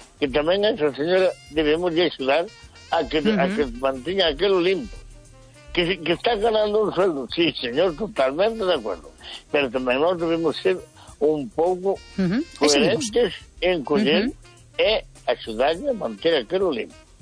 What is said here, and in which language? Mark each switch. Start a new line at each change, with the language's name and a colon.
Galician: que tamén a esa señora debemos de axudar a que mantenga aquel limpo.
Spanish: Que está ganando un sueldo, sí, señor, totalmente de acuerdo.
Galician: Pero tamén nós debemos ser un pouco coherentes en coñer e axudarle a manter aquel limpo.